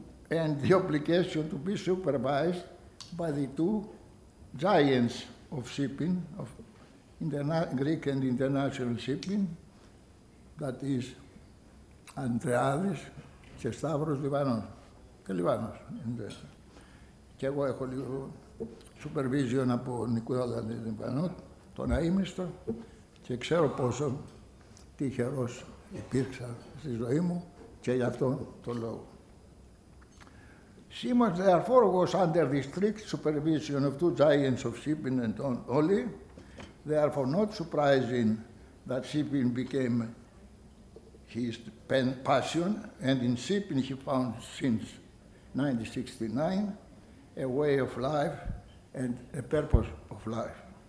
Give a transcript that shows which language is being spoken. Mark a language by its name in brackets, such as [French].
[English] and the obligation to be supervised by the two giants of shipping, of Greek and international shipping, that is Andreades και Σταύρος Λιβανός. [Greek] Και Λιβανός. Και εγώ έχω λίγο supervision από Νικόλα Λιβανό, τον αείμνηστο, και ξέρω πόσο τυχερός υπήρξα στη ζωή μου και γι' αυτό τον λόγο. [English] Simos therefore was under the strict supervision of two giants of shipping and only, therefore not surprising that shipping became his pen passion, and in shipping he found since 1969 a way of life and a purpose of life.